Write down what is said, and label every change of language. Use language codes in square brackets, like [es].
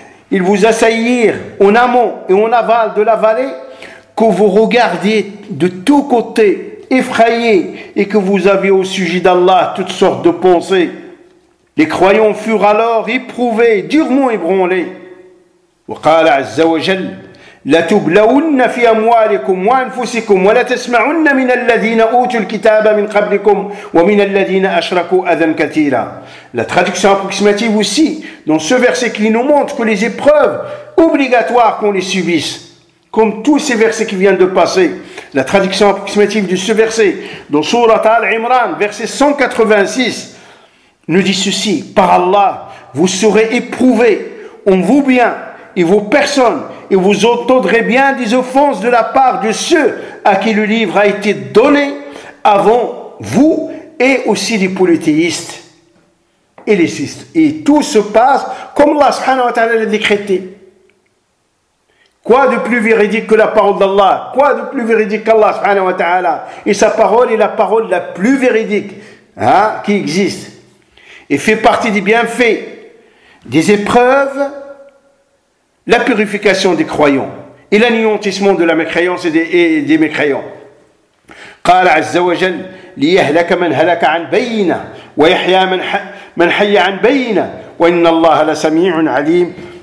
[fr] Ils vous assaillirent en amont et en aval de la vallée, que vous regardiez de tous côtés, effrayés, et que vous aviez au sujet d'Allah toutes sortes de pensées. Les croyants furent alors éprouvés, durement ébranlés. [ar] وقال عز وجل لتبلون في أموالكم وأنفسكم ولا تسمعن من الذين أوتوا الكتاب من قبلكم ومن الذين أشركوا أذى كثيرا. [fr] La traduction approximative aussi dans ce verset qui nous montre que les épreuves obligatoires qu'on les subisse, comme tous ces versets qui viennent de passer, la traduction approximative de ce verset dans sourate Al-Imran, verset 186, nous dit ceci: par Allah, vous serez éprouvés en vous bien et vos personnes, et vous entendrez bien des offenses de la part de ceux à qui le livre a été donné avant vous, et aussi des polythéistes. Et tout se passe comme Allah subhanahu wa ta'ala l'a décrété. Quoi de plus véridique que la parole d'Allah? Quoi de plus véridique qu'Allah subhanahu wa ta'ala? Et sa parole est la parole la plus véridique, hein, qui existe. Et fait partie des bienfaits, des épreuves, la purification des croyants et l'anéantissement de la mécréance et des mécréants. [ar] قال عز وجل ليهلك من هلك عن بينة ويحيى من حي عن بينة وإن الله لسميع عليم.